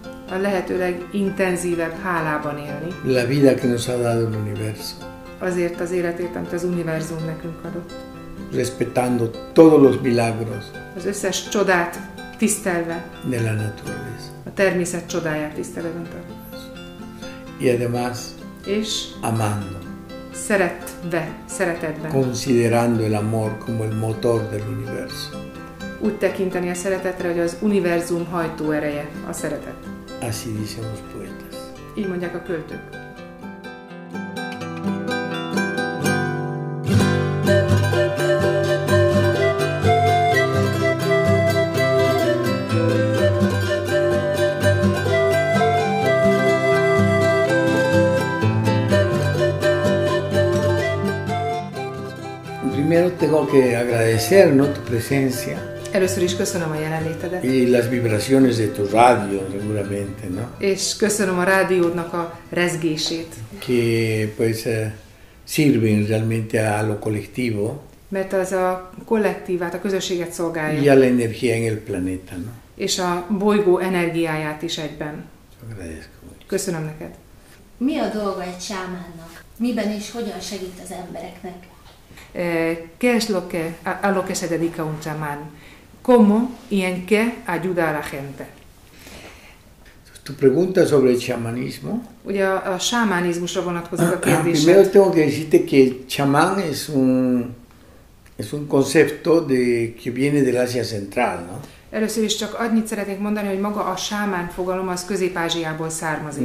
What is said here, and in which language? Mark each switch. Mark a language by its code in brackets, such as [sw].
[hu] A lehető legintenzívebb hálában élni. [es] La vida que nos ha dado el universo. [hu] Azért az életért, amit az univerzum nekünk adott. [es] Respetando todos los milagros. [hu] Az összes csodát tisztelve. [es] De la naturaleza. [hu] A természet csodáját tisztelően tartás. [es] Y además. [hu] És. [es] Amando. [hu] Szeretve, szeretetben. [es] Considerando el amor como el motor del universo. [hu] Úgy tekinteni a szeretetre, hogy az univerzum hajtó ereje a szeretet. [es] Así dicen los poetas. [hu] Így mondják a költők. [es] Primero tengo que agradecer, ¿no?, tu presencia. [hu] Először is köszönöm a jelenlétedet. [es] Y las vibraciones de tu radio, seguramente, ¿no? [hu] És köszönöm a rádiódnak a rezgését. [es] Que pues sirven realmente a lo colectivo. [hu] Mert az a kollektívát, a közösséget szolgálja. [es] Y a la energía en el planeta, ¿no? [hu] És a bolygó energiáját is egyben. [es] Agradezco. [hu] Köszönöm neked. Mi a dolga egy sámánnak? Miben és hogyan segít az embereknek? [es] ¿Qué es lo que a lo que se dedica un chamán? ¿Cómo y en qué ayuda a la gente? Tu pregunta sobre el chamanismo. [hu] Ugye a sámánizmusra vonatkozik a kérdés. [es] Primero tengo que decirte que chamán es un concepto de que viene del Asia Central, ¿no? [hu] Először is csak annyit szeretnék mondani, hogy maga a sámán fogalom az Közép-Ázsiából származik.